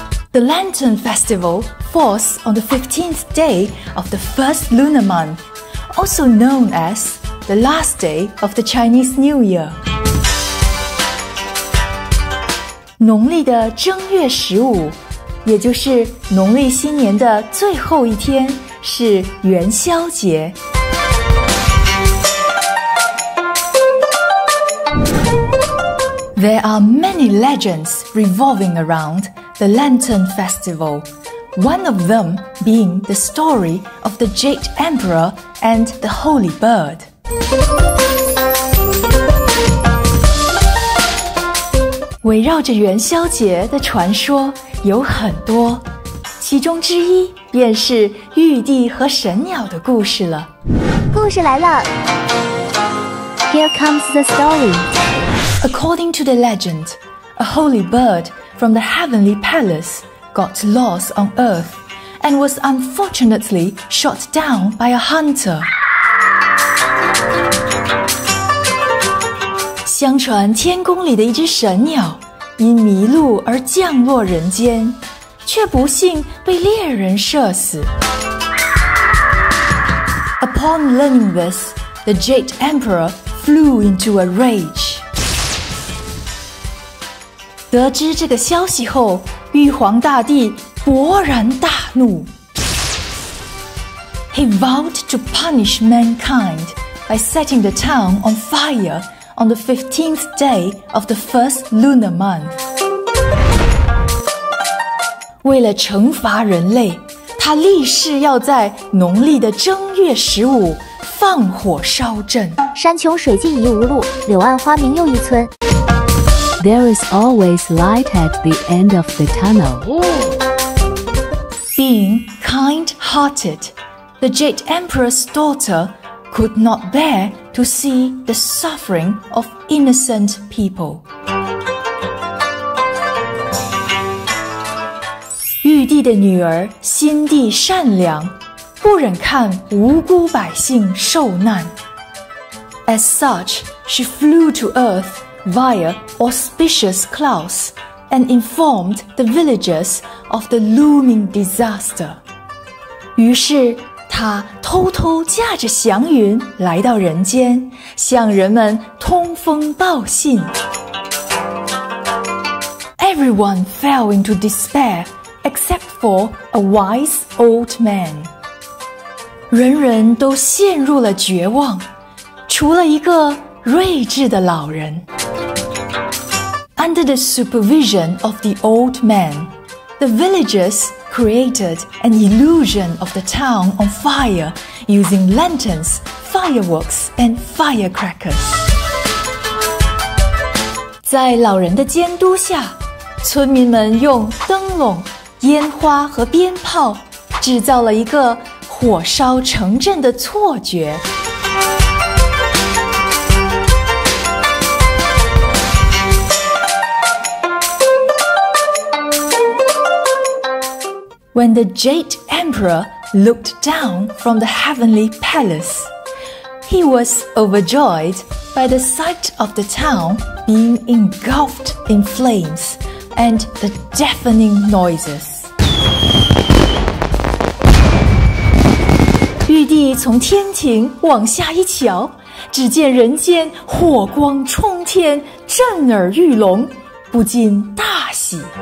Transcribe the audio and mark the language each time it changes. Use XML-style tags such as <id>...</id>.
<en>The Lantern Festival falls on the 15th day of the first lunar month, also known as the last day of the Chinese New Year.</en> <zh>农历的正月十五，也就是农历新年的最后一天，是元宵节。</zh> <en>There are many legends revolving around the Lantern Festival, one of them being the story of the Jade Emperor and the Holy Bird.</en> <zh>围绕着元宵节的传说有很多，其中之一便是玉帝和神鸟的故事了。故事来了。</zh> <en>Here comes the story. According to the legend, a holy bird from the heavenly palace got lost on earth and was unfortunately shot down by a hunter.</en> <zh>相传天宫里的一只神鸟因迷路而降落人间，却不幸被猎人射死。</zh> <en>Upon learning this, the Jade Emperor flew into a rage.</en> <zh>得知这个消息后，玉皇大帝勃然大怒。</zh> <en>He vowed to punish mankind by setting the town on fire. On the 15th day of the first lunar month.</en> <zh>为了惩罚人类，他立誓要在农历的正月十五放火烧镇。山穷水尽疑无路，柳暗花明又一村。</zh> <en>There is always light at the end of the tunnel. Being kind-hearted, the Jade Emperor's daughter. Could not bear to see the suffering of innocent people.</en> <zh>玉帝的女儿心地善良，不忍看无辜百姓受难。</zh> <en>As such, she flew to earth via auspicious clouds and informed the villagers of the looming disaster.</en> <zh>于是他偷偷驾着祥云来到人间，向人们通风报信。</zh> <en>Everyone fell into despair except for a wise old man.</en> <zh>人人都陷入了绝望，除了一个睿智的老人。</zh> <en>Under the supervision of the old man, the villagers. Created an illusion of the town on fire using lanterns, fireworks, and firecrackers.</en> <zh>在老人的监督下，村民们用灯笼、烟花和鞭炮制造了一个火烧城镇的错觉。</zh> <en>When the Jade Emperor looked down from the heavenly palace, he was overjoyed by the sight of the town being engulfed in flames and the deafening noises.</en> <zh>玉帝从天庭往下一瞧，只见人间火光冲天，震耳欲聋，不禁大喜。</zh>